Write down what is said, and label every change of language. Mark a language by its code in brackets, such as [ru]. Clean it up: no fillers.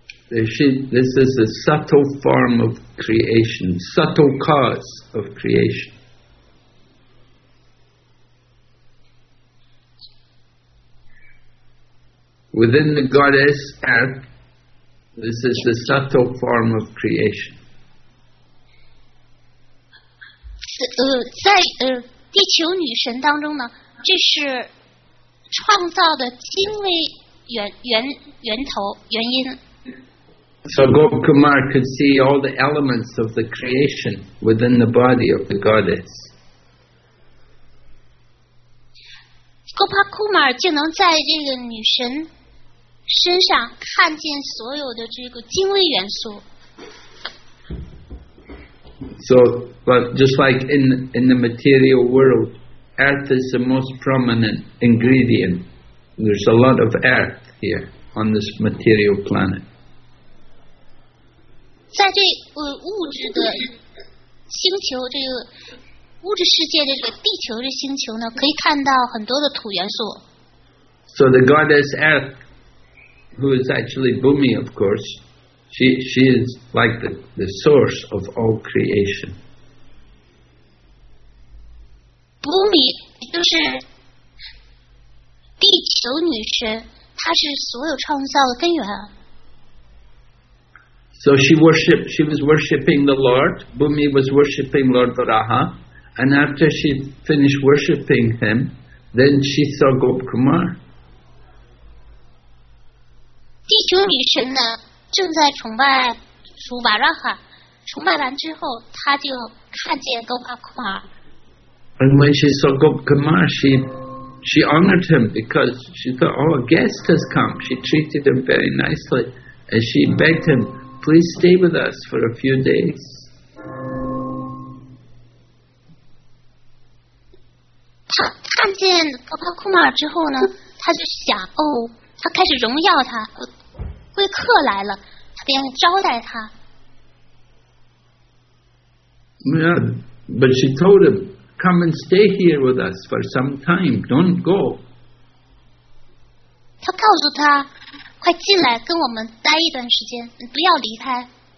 [en] This is a subtle form of creation, subtle cause of creation. Within the goddess Earth, this is the subtle form of creation. [zh] 在地球女神当中呢，这是创造的精微源头原因。 [en] So Gopkumar could see all the elements of the creation within the body of the goddess. [zh] Gopkumar 就能在这个女神身上看见所有的这个精微元素。 [en] So, but just like in the material world, earth is the most prominent ingredient. There's a lot of earth here on this material planet. [zh] 在这物质的星球，这个物质世界，这个地球的星球呢，可以看到很多的土元素。 [en] So the goddess Earth, who is actually Bhumi, of course, she is like the source of all creation. [zh] Bhumi 就是地球女神，她是所有创造的根源。 [en] So she was worshipping the Lord. Bhumi was worshipping Lord Varaha. And after she finished worshipping him, then she saw Gopkumar. [zh] 地球女神呢，正在崇拜主 Varaha. 崇拜完之后，她就看见 Gopkumar. [en] And when she saw Gopkumar, she honored him because she thought, oh, a guest has come. She treated him very nicely. And she begged him,Please stay with us for a few days. [zh] 他看见格帕库马之后呢，他就想，哦，他开始荣耀他，贵客来了，他便招待他。 [en] Yeah, but she told him, come and stay here with us for some time. Don't go. [zh] 他告诉他。快进来，跟我们待一段时间，不要离开。